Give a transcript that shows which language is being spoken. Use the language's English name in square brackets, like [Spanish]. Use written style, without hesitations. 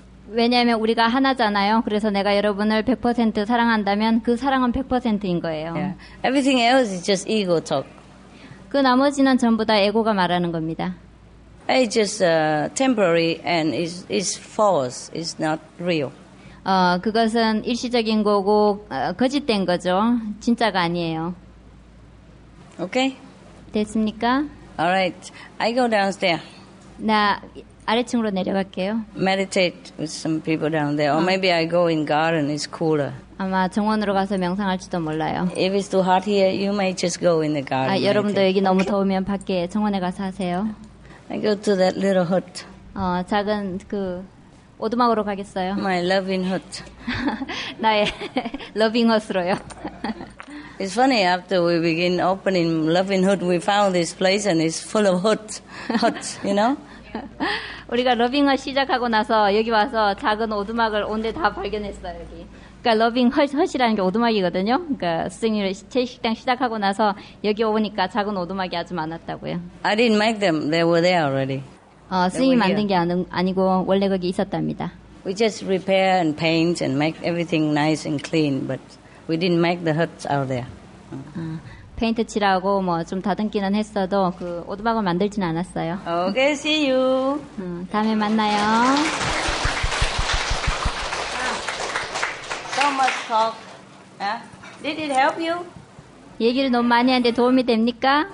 [Korean] 왜냐하면 우리가 하나잖아요. 그래서 내가 여러분을 100% 사랑한다면 그 사랑은 100%인 거예요. [English] Yeah. Everything else is just ego talk. [Korean] 그 나머지는 전부 다 에고가 말하는 겁니다. [English] It's just temporary and it's false. It's not real. [Korean] 그것은 일시적인 거고 거짓된 거죠. 진짜가 아니에요. [English] Okay. [Korean] 됐습니까? [English] All right. I go downstairs. [Korean] 나 아래층으로 내려갈게요. [English] Meditate with some people down there. Or maybe I go in garden. It's cooler. [Korean] 아마 정원으로 가서 명상할지도 몰라요. [English] If it's too hot here, you may just go in the garden. [Korean] 여러분도 여기 너무 okay. 더우면 밖에 정원에 가서 하세요. [English] I go to that little hut. [Korean] 작은 그 오두막으로 가겠어요. [English] My loving hut. [Korean] 나의 loving hut으로요. [English] It's funny, after we begin opening loving hut, we found this place and it's full of hut, you know? [Korean] 우리가 러빙을 시작하고 나서 여기 와서 작은 오두막을 온데 다 발견했어요. 여기. 그러니까 러빙 헛이라는 게 오두막이거든요. 그러니까 스승님 제 식당 시작하고 나서 여기 오니까 작은 오두막이 아주 많았다고요. [English] I didn't make them. They were there already. [Korean] 스승님 만든 게 아니고 원래 거기 있었답니다. [English] We just repair and paint and make everything nice and clean, but we didn't make the huts out there. [Korean] 페인트 칠하고 뭐 좀 다듬기는 했어도 그 오두막을 만들진 않았어요. [English] Okay, see you. [Korean] 다음에 만나요. [English] So much talk. Did it help you? [Korean] 얘기를 너무 많이 하는데 도움이 됩니까?